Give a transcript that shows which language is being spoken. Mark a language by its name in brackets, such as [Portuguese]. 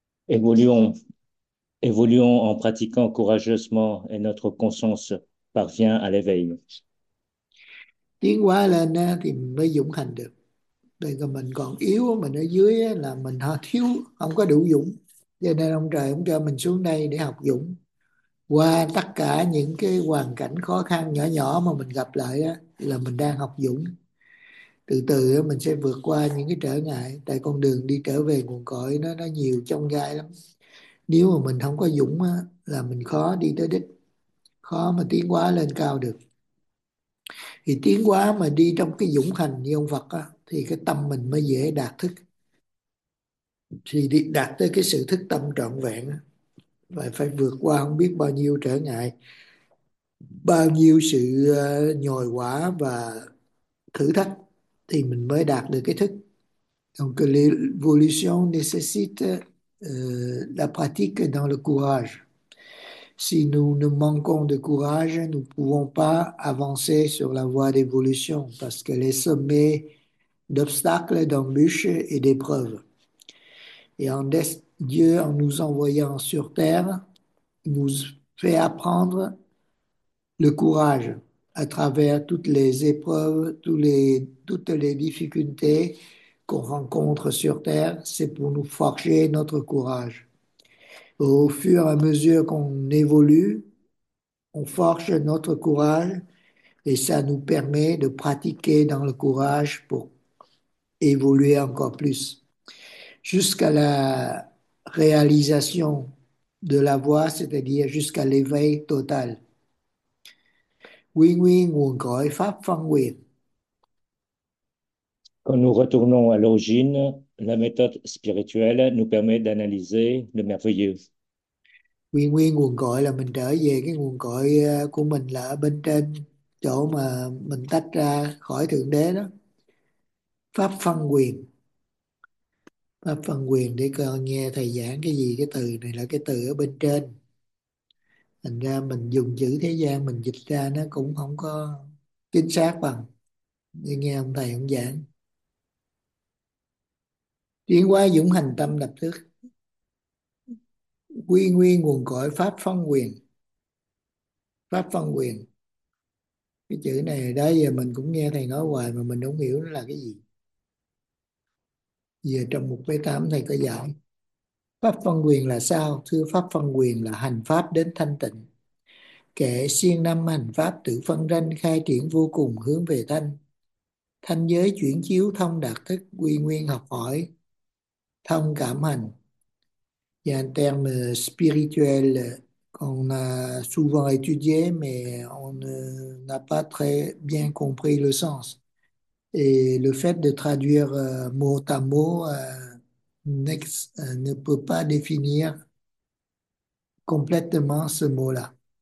[French] Évoluons en pratiquant courageusement et notre conscience parvient à l'éveil. [Vietnamese] Tiến hóa lên thì mới dũng hành được. Đây là mình còn yếu, mình ở dưới là mình thiếu, không có đủ dũng. Cho nên ông trời cũng cho mình xuống đây để học dũng. Qua tất cả những cái hoàn cảnh khó khăn nhỏ nhỏ mà mình gặp lại là mình đang học dũng. Từ từ mình sẽ vượt qua những cái trở ngại. Tại con đường đi trở về nguồn cội nó nhiều chông gai lắm. Nếu mà mình không có dũng là mình khó đi tới đích. Khó mà tiến hóa lên cao được. Thì tiến hóa mà đi trong cái dũng hành như ông Phật á, thì cái tâm mình mới dễ đạt thức, thì đạt tới cái sự thức tâm trọn vẹn á, và phải vượt qua không biết bao nhiêu trở ngại, bao nhiêu sự nhồi quả và thử thách thì mình mới đạt được cái thức. [French] Donc l'évolution nécessite la pratique dans le courage. Si nous ne manquons de courage, nous ne pouvons pas avancer sur la voie d'évolution parce que les sommets d'obstacles, d'embûches et d'épreuves. Et en Dieu, en nous envoyant sur Terre, nous fait apprendre le courage à travers toutes les épreuves, toutes les difficultés qu'on rencontre sur Terre. C'est pour nous forger notre courage. Au fur et à mesure qu'on évolue, on forge notre courage et ça nous permet de pratiquer dans le courage pour évoluer encore plus. Jusqu'à la réalisation de la voie, c'est-à-dire jusqu'à l'éveil total. [Vietnamese] Oui, nguồn cội Pháp phân quyền. [French] Quand nous retournons à l'origine, la méthode spirituelle nous permet d'analyser le merveilleux. [Vietnamese] Nguyên nguyên nguồn cội là mình trở về cái nguồn cội của mình là ở bên trên chỗ mà mình tách ra khỏi Thượng Đế đó. Pháp phân quyền. Pháp phân quyền để con nghe thầy giảng cái gì, cái từ này là cái từ ở bên trên. Thành ra mình dùng chữ thế gian mình dịch ra nó cũng không có chính xác bằng để nghe ông thầy ông giảng. Chuyển qua dũng hành tâm đập thức. Quy nguyên nguồn cội Pháp phân quyền. Pháp phân quyền. Cái chữ này đó giờ mình cũng nghe thầy nói hoài mà mình không hiểu nó là cái gì. Giờ trong mục mấy tám thầy có giải. Pháp phân quyền là sao? Thưa, Pháp phân quyền là hành pháp đến thanh tịnh. Kẻ siêng năm hành pháp tự phân ranh khai triển vô cùng hướng về thanh. Thanh giới chuyển chiếu thông đạt thức quy nguyên học hỏi. Thông cảm hành. [French] Il y a un terme spirituel qu'on a souvent étudié, mais on n'a pas très bien compris le sens. Et le fait de traduire mot à mot ne peut pas définir complètement ce mot-là.